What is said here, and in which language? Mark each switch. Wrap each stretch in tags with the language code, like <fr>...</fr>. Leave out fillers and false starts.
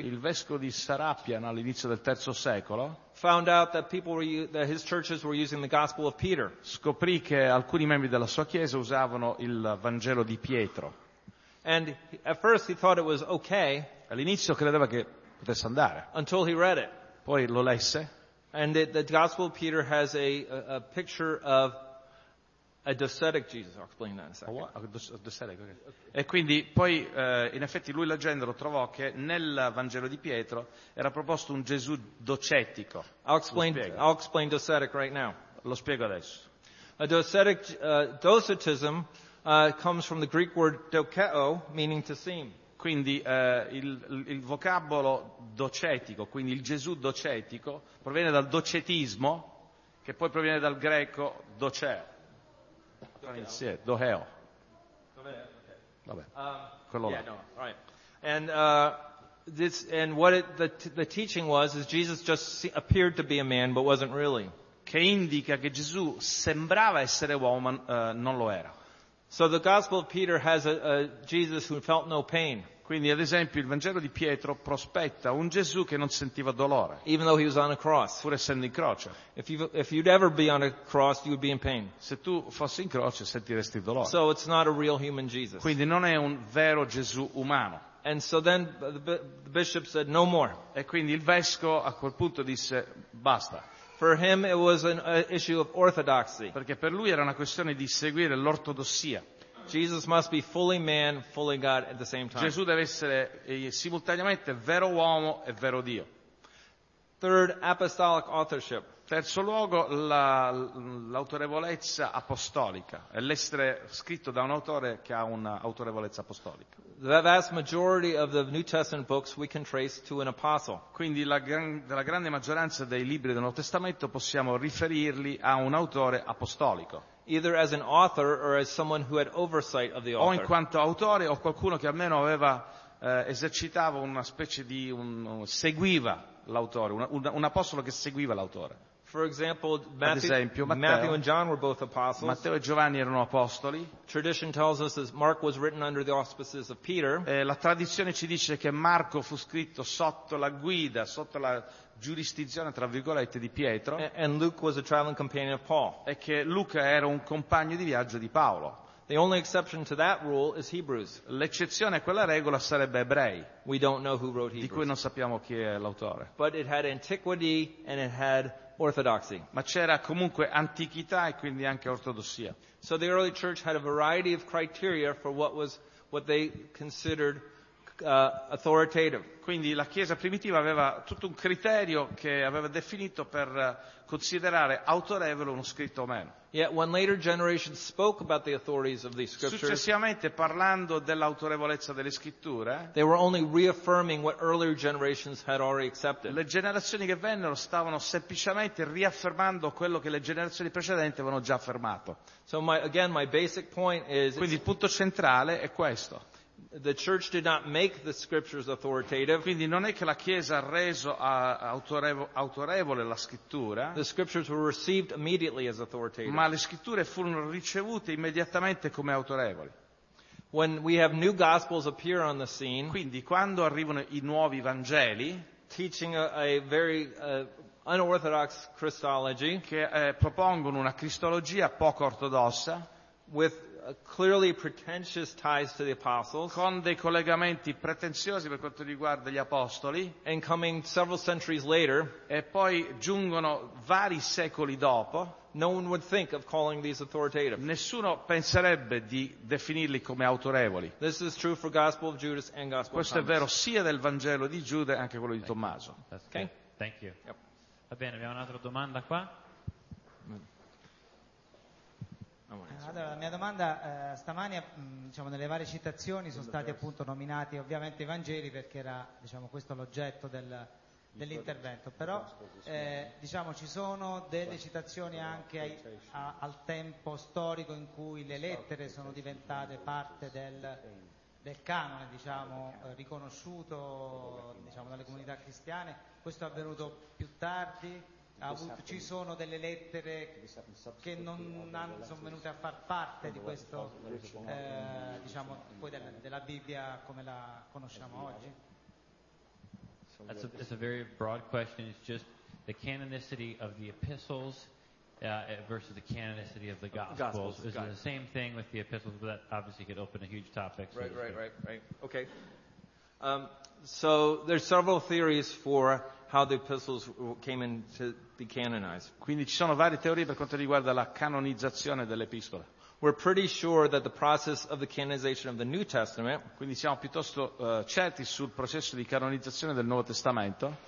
<it>il vescovo di Serapion all'inizio del 3° secolo,</it> <en>found out that people were that his churches were using the Gospel of Peter.</en> <it>Scoprì che alcuni membri della sua chiesa usavano il Vangelo di Pietro.</it> <en>And at first he thought it was okay.</en> <it>All'inizio credeva che potesse andare.</it> <en>Until he read it.</en> <it>Poi lo lesse.</it> <en>And the Gospel of Peter has a picture of a docetic Jesus. I'll explain that in a second. Docetic, okay.</en> <it>E quindi poi in effetti lui leggendolo trovò che nel Vangelo di Pietro era proposto un Gesù docetico.</it> <en>I'll explain docetic right now.</en> <it>Lo spiego adesso.</it> <en>A docetic docetism comes from the Greek word dokeo, meaning to seem.</en> <it>Quindi il vocabolo docetico, quindi il Gesù docetico, proviene dal docetismo, che poi proviene dal greco doceo. Doheo. Vabbè, quello là.</it> <en>Yeah, no, right. And what the teaching was is Jesus just appeared to be a man, but wasn't really.</en> <it>Che indica che Gesù sembrava essere uomo, ma non lo era.</it> <en>So the Gospel of Peter has a Jesus who felt no pain.</en> <it>Quindi, ad esempio, il Vangelo di Pietro prospetta un Gesù che non sentiva dolore.</it> <en>Even though he was on a cross.</en> <it>Pur essendo in croce.</it> <en>If you'd ever be on a cross, you would be in pain.</en> <it>Se tu fossi in croce, sentiresti dolore.</it> <en>So it's not a real human Jesus.</en> <it>Quindi non è un vero Gesù umano.</it> <en>And so then the bishop said, no more.</en> <it>E quindi il vescovo a quel punto disse, basta.</it> <en>For him it was an issue of orthodoxy.</en> <it>Perché per lui era una questione di seguire l'ortodossia.</it> <en>Jesus must be fully man, fully God at the same time.</en> <it>Gesù deve essere simultaneamente vero uomo e vero Dio.</it> <en>Third, apostolic authorship.</en> <it>Terzo luogo, l'autorevolezza apostolica, l'essere scritto da un autore che ha un'autorevolezza apostolica.</it> <en>The vast majority of the New Testament books we can trace to an apostle.</en> <it>Quindi la grande maggioranza dei libri del Nuovo Testamento possiamo riferirli a un autore apostolico.</it> <en>Either as an author or as someone who had oversight of the author.</en> <it>O in quanto autore o qualcuno che almeno aveva esercitava una specie di seguiva l'autore, un apostolo che seguiva l'autore.</it> <en>For example, Matthew and John were both apostles.</en> <it>Matteo e Giovanni erano apostoli.</it> <en>Tradition tells us that Mark was written under the auspices of Peter.</en> <it>La tradizione ci dice che Marco fu scritto sotto la guida, sotto la giurisdizione tra virgolette di Pietro.</it> <en>And Luke was a traveling companion of Paul.</en> <it>E che Luca era un compagno di viaggio di Paolo.</it> <en>The only exception to that rule is Hebrews.</en> <it>L'eccezione a quella regola sarebbe Ebrei.</it> <en>We don't know who wrote Hebrews.</en> <it>Di cui non sappiamo chi è l'autore.</it> <en>But it had antiquity and it had orthodoxy.</en> <it>Ma c'era comunque antichità e quindi anche ortodossia.</it> <en>So the early church had a variety of criteria for what they considered authoritative.</en> <it>Quindi la chiesa primitiva aveva tutto un criterio che aveva definito per considerare autorevole uno scritto o meno.</it> <en>Yet when later generations spoke about the authorities of these scriptures,</en> <it>successivamente parlando dell'autorevolezza delle scritture,</it> <en>they were only reaffirming what earlier generations had already accepted.</en> <it>Le generazioni che vennero stavano semplicemente riaffermando quello che le generazioni precedenti avevano già affermato.</it> <en>So my basic point is,</en> <it>quindi il punto centrale è questo.</it> <en>The church did not make the scriptures authoritative.</en> <it>Quindi non è che la Chiesa ha reso autorevole la scrittura.</it> <en>The scriptures were received immediately as authoritative.</en> <it>Ma le scritture furono ricevute immediatamente come autorevoli.</it> <en>When we have new gospels appear on the scene,</en> <it>quindi quando arrivano i nuovi Vangeli,</it> <en>teaching a very unorthodox Christology,</en> <it>che propongono una cristologia poco ortodossa,</it> <en>with clearly pretentious ties to the apostles,</en> <it>con dei collegamenti pretenziosi per quanto riguarda gli apostoli,</it> <en>and coming several centuries later,</en> <it>e poi giungono vari secoli dopo,</it> <en>no one would think of calling these authoritative.</en> <it>Nessuno penserebbe di definirli come autorevoli.</it> <en>This is true for Gospel of Judas and Gospel of Thomas.</en> <it>Questo è vero sia del Vangelo di Giuda anche quello di Tommaso.</it> <en>Okay. Thank you.</en> <it>Va bene, abbiamo un'altra domanda qua. Allora, la mia domanda stamani, diciamo, nelle varie citazioni sono stati appunto nominati ovviamente i Vangeli perché era, diciamo, questo l'oggetto dell'intervento, però diciamo, ci sono delle citazioni anche al tempo storico in cui le lettere sono diventate parte del canone, diciamo, riconosciuto, diciamo, dalle comunità cristiane. Questo è avvenuto più tardi. Ci sono delle lettere che non sono venute a far parte di questo, diciamo, poi della Bibbia come la conosciamo oggi.</it> <en>That's a very broad question. It's just the canonicity of the epistles versus the canonicity of the gospels. Is it the same thing with the epistles? But that obviously could open a huge topic. So right. Okay. So there's several theories for how the epistles came in to be canonized.</en> <it>Quindi ci sono varie teorie per quanto riguarda la canonizzazione dell'epistola.</it> <en>We're pretty sure that the process of the canonization of the New Testament,</en> <it>quindi siamo piuttosto certi sul processo di canonizzazione del Nuovo Testamento,</it>